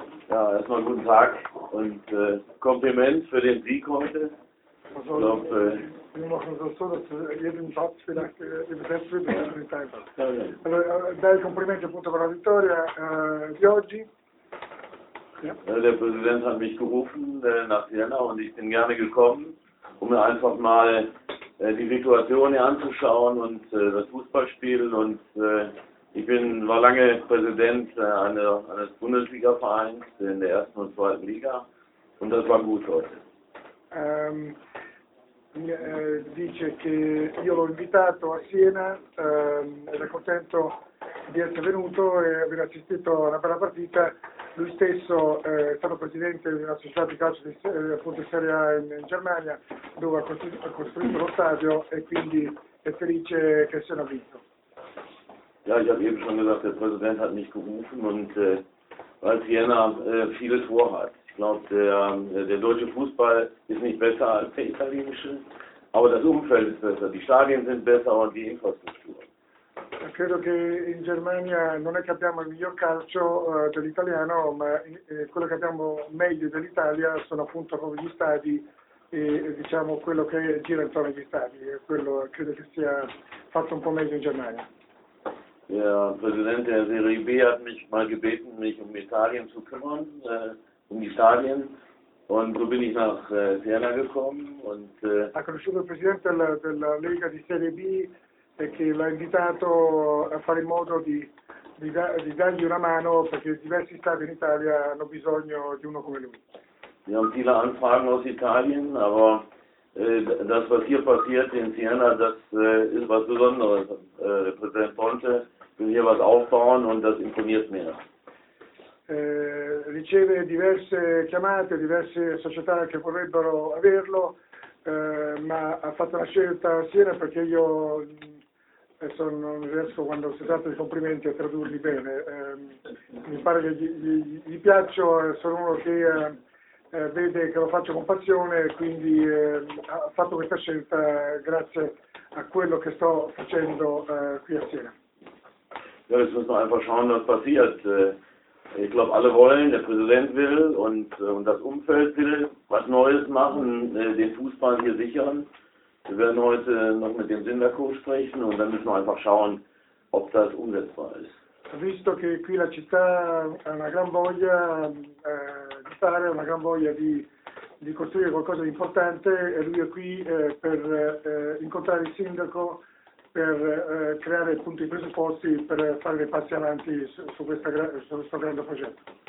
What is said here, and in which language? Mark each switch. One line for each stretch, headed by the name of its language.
German: Ja, erstmal guten Tag und Kompliment für den Sieg heute. Ich glaube, wir machen es so, dass jeden Satz vielleicht übersetzt wird, dass es nicht einfach ist.
Italian: Also, dai complimenti appunto per la vittoria di oggi.
German: Der Präsident hat mich gerufen nach Vienna und ich bin gerne gekommen, um mir einfach mal die Situation hier anzuschauen und das Fußballspielen. Und ich war lange Präsident eines Bundesliga-Vereins in der ersten und zweiten Liga und das war gut heute.
Italian: Dice che io l'ho invitato a Siena, ed è contento di essere venuto e aver assistito a una bella partita. Lui stesso è stato presidente di una società di calcio di appunto Serie A in Germania, dove ha costruito lo stadio e quindi è felice che Siena ha vinto.
German: Ja, ich habe eben schon gesagt, der Präsident hat mich gerufen und weil Vienna vieles vorhat. Ich glaube, der deutsche Fußball ist nicht besser als der italienische, aber das Umfeld ist besser, die Stadien sind besser und die Infrastruktur.
Italian: Credo che in Germania non è che abbiamo il miglior calcio dell'italiano, ma quello che abbiamo meglio dell'Italia sono appunto proprio gli stadi e diciamo quello che gira intorno agli stadi, e quello credo che sia fatto un po' meglio in Germania.
German: Der Präsident der Serie B hat mich mal gebeten, mich um Italien zu kümmern, um die Stadien. Und so bin ich nach Siena gekommen und
Italian: Ha conosciuto il presidente della Lega di Serie B e che l'ha invitato a fare in modo di dargli una mano, perché diversi stati in Italia hanno bisogno di uno come lui.
German: wir haben viele Anfragen aus Italien, aber das, was hier passiert in Siena, das ist was Besonderes. Der Präsident wollte hier was aufbauen und das imponiert mir.
Italian: Riceve diverse chiamate, diverse società che vorrebbero averlo. Ma ha fatto la scelta a Siena perché io non riesco, quando si tratta di complimenti, a tradurli bene. Mi pare che gli piaccia, sono uno che vede che lo faccio con passione, quindi ha fatto questa scelta grazie a quello che sto facendo qui a Siena. Ja, jetzt müssen wir einfach schauen, was passiert. Ich glaube, alle wollen, der Präsident will und das Umfeld will was Neues machen, den Fußball hier sichern. Wir werden heute noch mit dem Sindaco sprechen und dann müssen wir einfach schauen, ob das umsetzbar ist. Visto che qui la città ha una gran voglia di fare, una gran voglia di costruire qualcosa di importante, e lui è qui per incontrare il sindaco, per creare appunto i presupposti per fare dei passi avanti su questo grande progetto.